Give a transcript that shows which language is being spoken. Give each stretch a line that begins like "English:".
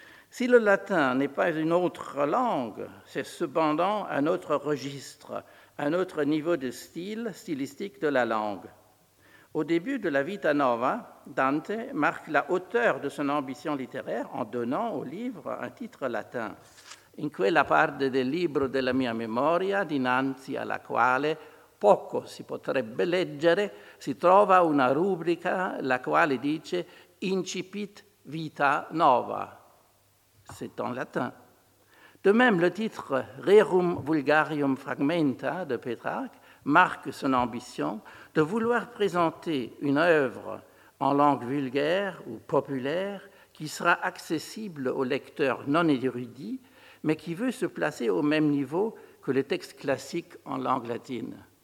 French: Si le latin n'est pas une autre langue, c'est cependant un autre registre, un autre niveau de style stylistique de la langue. Au début de la Vita Nova, Dante marque la hauteur de son ambition littéraire en donnant au livre un titre latin.
Italian: In quella parte del libro della mia memoria, dinanzi alla quale poco si potrebbe leggere, si trova una rubrica la quale dice Incipit Vita Nova.
French: C'est en latin. De même, le titre Rerum Vulgarium Fragmenta de Pétrarque marque son ambition de vouloir présenter une œuvre en langue vulgaire ou populaire qui sera accessible aux lecteurs non érudits, mais qui veut se placer au même niveau que les textes classiques en langue latine.